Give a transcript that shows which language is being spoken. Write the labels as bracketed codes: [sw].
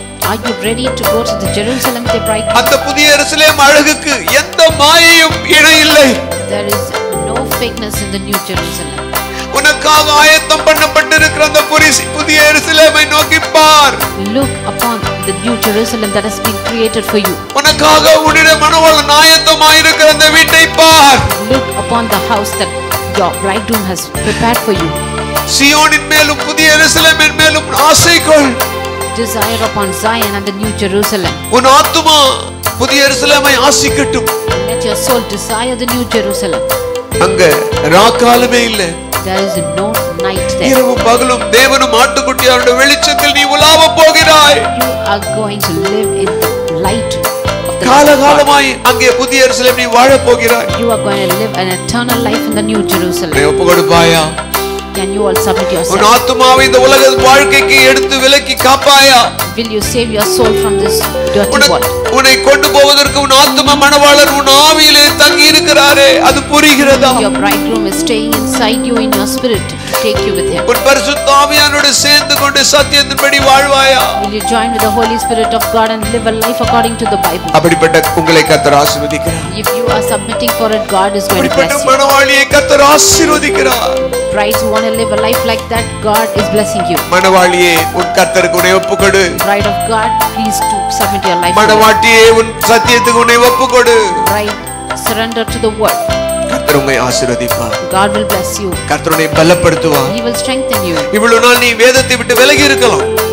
[en] Are you ready to go to the Jerusalem the bride? [ta] அந்த புதிய எருசலேம் அழகுக்கு எந்த மாயையும் இணை இல்லை. [en] There is no fakeness in the new Jerusalem. [ta] உனக்காக ஆயத்தம் பண்ணப்பட்டிருக்கிற அந்த புதிய எருசலேமை நோக்கி பார். [en] Look upon the new Jerusalem that has been created for you. [ta] உனக்காக உன்னுடைய மனவாளன் ஆயத்தமாயிருக்கிற அந்த வீட்டை பார். [en] Look upon the house that your bridegroom has prepared for you. [ta] சியோனின் மேலும் புதிய எருசலேமின் மேலும் ஆசை கொள். [en] Desire upon Zion and the new Jerusalem. [ta] உன் ஆத்துமா புதிய எருசலேமை ஆசிக்கட்டும். [en] Let your soul desire the new Jerusalem. [ta] அங்க ராக்காலமே இல்ல. [en] There is no night there. [ta] இரவும் பகலும் தேவனும் ஆட்டுக்குட்டியாருடைய வெளிச்சத்தில் நீ உலாவ போகிறாய். [en] You are going to live in the light. [ta] காலகாலமாய் அங்கே புதிய எருசலேம் நீ வாழ போகிறாய். [en] You are going to live an eternal life in the new Jerusalem. [ta] நீ ஒப்புக்கொடுப்பாயா? [en] Can you all submit yourself? [ta] உன் ஆத்துமாவை இந்த உலக வாழ்க்கைக்கு எடுத்து விலக்கி காப்பாயா? [en] Will you save your soul from this dirty world? [ta] உன்னை கொண்டு போவதற்கு உன் ஆத்துமா மனவாளர் உன் ஆவியிலே தங்கி இருக்கிறாரே அது புரிகிறதா? [en] Your bridegroom is staying inside you in your spirit to take you with him. [ta] உன் பரிசுத்த ஆவியானோடு சேர்ந்து கொண்டு சத்தியத்தின்படி வாழ்வாயா? [en] Will you join with the Holy Spirit of God and live a life according to the Bible? [ta] அப்படிப்பட்ட உங்களை கர்த்தர் ஆசீர்வதிக்கிறார். [en] If you are submitting for it, God is going to bless you. [ta] அப்படிப்பட்ட மனவாளியை கர்த்தர் ஆசீர்வதிக்கிறார். [en] Bride who want to live a life like that, God is blessing you. [ta] மனவாளியே உன் கர்த்தருக்கு உன்னை ஒப்புக்கொடு. [en] Bride of God, please to submit your life. [ta] மனவாட்டியே உன் சத்தியத்துக்கு உன்னை ஒப்புக்கொடு. [en] Bride, surrender to the word. [ta] கர்த்தர் உம்மை ஆசீர்வதிப்பார். [en] God will bless you. [ta] கர்த்தர் உன்னை பலப்படுத்துவார். [en] He will strengthen you. [ta] இவ்வளவு நாள் நீ வேதத்தை விட்டு விலகி இருக்கலாம்.